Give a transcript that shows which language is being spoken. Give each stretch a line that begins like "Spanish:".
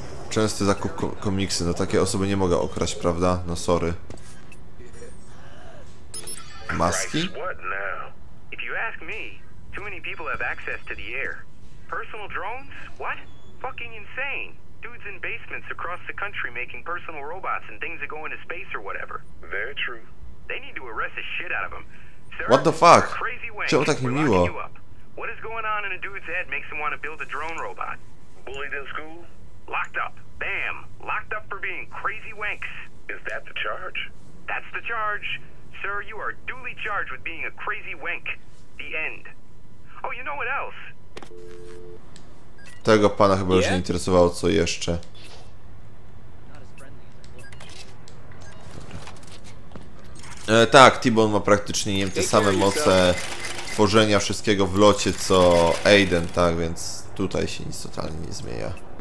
Polish: Częsty zakup komiksy, no takie osoby nie mogę okraść, prawda?
English: No sorry.
Polish: Maski?
English: If you ask me, too many people have access to the air. Personal drones? What? Fucking insane. Dudes in basements across the country making personal robots and things that go into space or whatever. Very true. They need to arrest the shit out of them. Sir, what the fuck? Crazy wench.
Polish: Czemu tak niemiło?
English: What is going on in a dude's head makes him want to build a drone robot? Bullied in school? Locked up. Bam. Locked up for being crazy wanks. Is that the charge? That's the charge. Sir, you are duly charged with being a crazy wank. The end. Oh, you know what else?
Polish: Tego pana chyba już nie interesowało, co jeszcze. Tak, T-Bone ma praktycznie nie wiem, te same moce tworzenia wszystkiego w locie, co Aiden, tak, więc tutaj się nic totalnie nie zmienia.